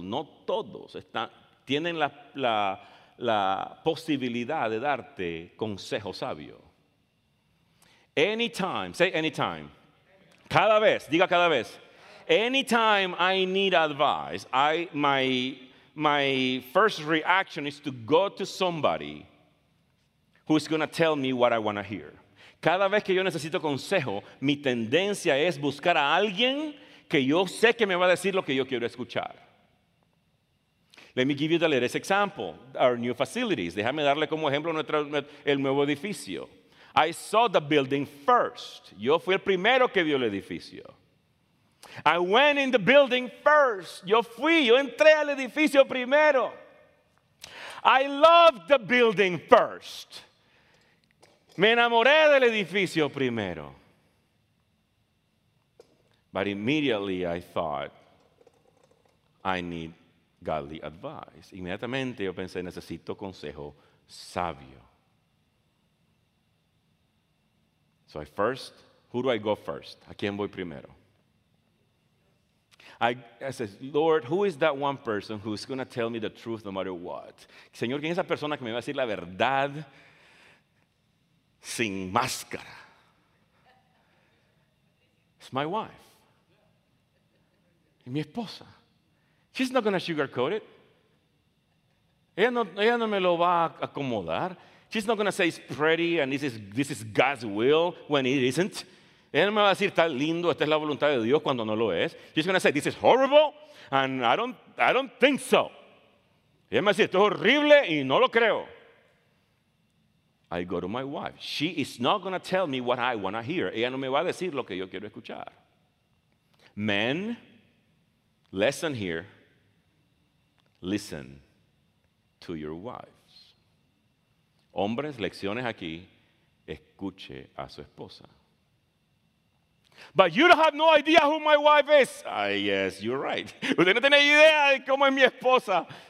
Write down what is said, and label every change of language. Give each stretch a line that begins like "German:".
Spanish: No todos están, tienen la posibilidad de darte consejo sabio.
English: Anytime, say anytime.
Spanish: Cada vez, diga cada vez.
English: Anytime I need advice, my first reaction is to go to somebody who's going to tell me what I want to hear.
Spanish: Cada vez que yo necesito consejo, mi tendencia es buscar a alguien que yo sé que me va a decir lo que yo quiero escuchar.
English: Let me give you the latest example, our new facilities.
Spanish: Déjame darle como ejemplo el nuevo edificio.
English: I saw the building first.
Spanish: Yo fui el primero que vio el edificio.
English: I went in the building first.
Spanish: Yo entré al edificio primero.
English: I loved the building first.
Spanish: Me enamoré del edificio primero.
English: But immediately I thought, I need godly advice.
Spanish: Inmediatamente yo pensé, necesito consejo sabio.
English: So I first, who do I go first?
Spanish: ¿A quién voy primero?
English: I said, Lord, who is that one person who's going to tell me the truth no matter what?
Spanish: Señor, ¿quién es esa persona que me va a decir la verdad sin máscara?
English: It's my wife.
Spanish: Y mi esposa.
English: She's not going to sugarcoat it.
Spanish: Ella no me lo va a acomodar.
English: She's not going to say it's pretty and this is God's will when it isn't.
Spanish: Ella me va a decir, está lindo, esta es la voluntad de Dios cuando no lo es.
English: She's going to say, this is horrible, and I don't think so.
Spanish: Ella me va a decir, esto es horrible y no lo creo.
English: I go to my wife. She is not going to tell me what I want to hear.
Spanish: Ella no me va a decir lo que yo quiero escuchar.
English: Men, lesson here. Listen to your wives.
Spanish: Hombres, lecciones aquí. Escuche a su esposa.
English: But you don't have no idea who my wife is. Yes, you're right.
Spanish: Usted no tiene idea de cómo es mi esposa.